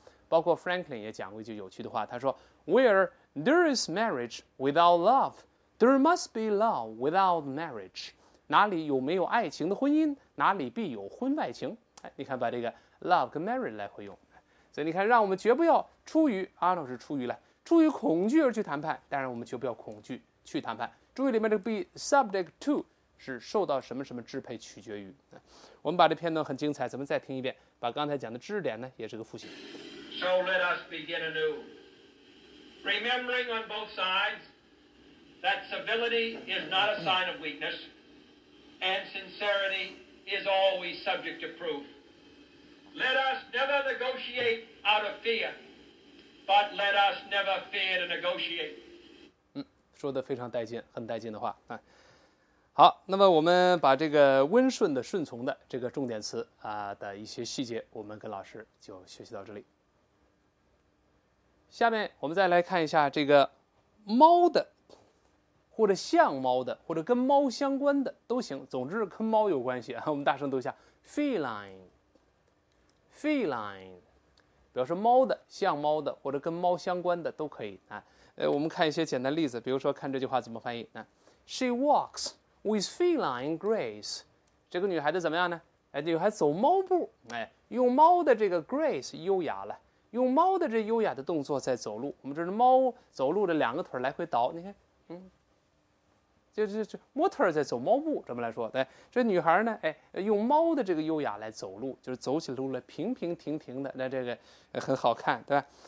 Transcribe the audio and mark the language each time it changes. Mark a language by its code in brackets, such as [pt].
[zh] 包括 Franklin 也讲过一句有趣的话，他说 [en] Where there is marriage without love, there must be love without marriage. [zh] 哪里有没有爱情的婚姻，哪里必有婚外情。哎，你看把这个 love 跟 marriage 来回用。所以你看让我们绝不要出于 Arnold 是出于了出于恐惧而去谈判，当然我们绝不要恐惧去谈判。注意里面这个 be subject to 是受到什么什么支配取决于。我们把这片段很精彩，咱们再听一遍，把刚才讲的知识点呢也是个复习。 [en] So let us begin anew, remembering on both sides that civility is not a sign of weakness, and sincerity is always subject to proof. Let us never negotiate out of fear, but let us never fear to negotiate. [zh] 说的非常带劲，很带劲的话啊。好，那么我们把这个温顺的、顺从的这个重点词啊的一些细节，我们跟老师就学习到这里。下面我们再来看一下这个猫的，或者像猫的，或者跟猫相关的都行，总之跟猫有关系啊。我们大声读一下 ，feline，feline， 表示猫的、像猫的，或者跟猫相关的都可以啊。我们看一些简单例子，比如说看这句话怎么翻译。 [en] She walks with feline grace. [zh] 这个女孩子怎么样呢？女孩走猫步，用猫的这个 grace 优雅了，用猫的这优雅的动作在走路。我们这是猫走路的两个腿来回倒，你看，就模特在走猫步，这么来说，对，这女孩呢，用猫的这个优雅来走路，就是走起路来平平停停的，那这个很好看，对吧？